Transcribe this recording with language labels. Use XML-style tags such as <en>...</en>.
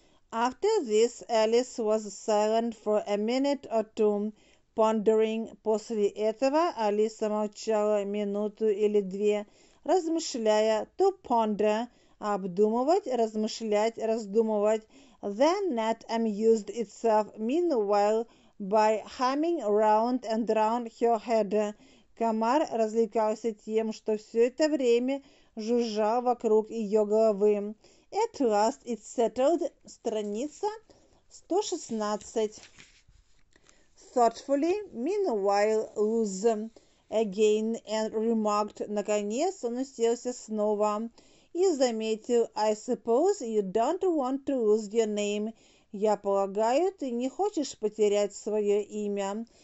<en>After this, Alice was silent for a minute or two, pondering.</en> <ru>После этого Алиса молчала минуту или две, размышляя,</ru> <en>to ponder,</en> <ru>обдумывать, размышлять, раздумывать.</ru> <en>The gnat amused itself meanwhile by humming round and round her head.</en> <ru>Комар развлекался тем, что все это время жужжал вокруг ее головы.</ru> <en>At last it settled.</en> <ru>Страница 116.</ru> <en>Thoughtfully, meanwhile, lose again and remarked.</en> <ru>Наконец он уселся снова и заметил.</ru> <en>I suppose you don't want to lose your name.</en> <ru>Я полагаю, ты не хочешь потерять свое имя.</ru>